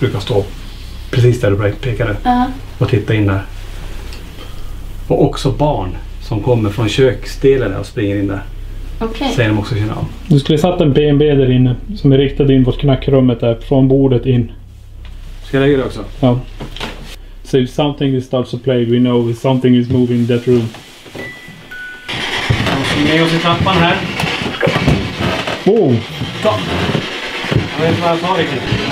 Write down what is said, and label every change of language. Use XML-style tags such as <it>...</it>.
<sv>Brukar stå precis där du pekade. Och titta in där. Och också barn. Som kommer från köksdelen och springer in där. Okej. Okay. Säger de också känna av. Du skulle satt en BNB där inne som är riktad in mot knackrummet där. Från bordet in. Ska jag lägga det också? Ja.</sv> <en>So if something starts to play, we know if something is moving in that room.</en> <sv>Jag måste med oss i trappan här. Boom! Oh. Stopp! Jag vet inte vad jag tar riktigt.</sv>